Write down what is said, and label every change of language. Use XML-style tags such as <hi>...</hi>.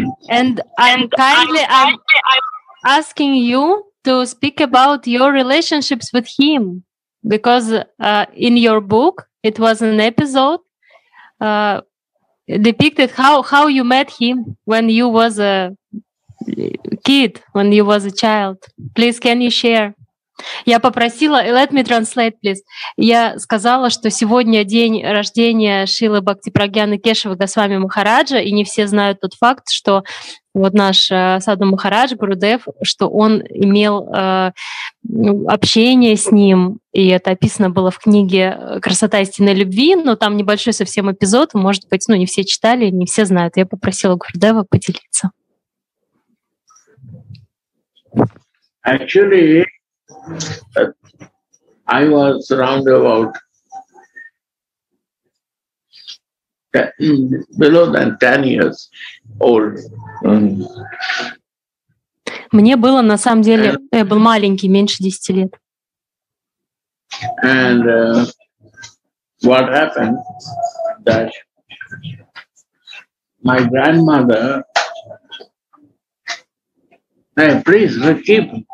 <en>And I'm kindly asking you to speak about your relationships with him, because in your book, it was an episode depicted how you met him when you was a kid, when you was a child. Please, can you share?</en> <ru>Я попросила,</ru> <en>let me translate, please.</en> <ru>Я сказала, что сегодня день рождения Шрилы Бхактипрагьяны Кешавы Госвами Махараджа, и не все знают тот факт, что вот наш Садху Махарадж, Гурудев, что он имел общение с ним, и это описано было в книге «Красота истинной любви», но там небольшой совсем эпизод, может быть, ну не все читали, не все знают. Я попросила Гурудева поделиться.</ru> <en>Actually, I was around about 10, below than 10 years old.</en> <ru>Мне было на самом деле, я был маленький, меньше 10 лет.</ru> <en>And what happened that my grandmother, hey, please keep.</en>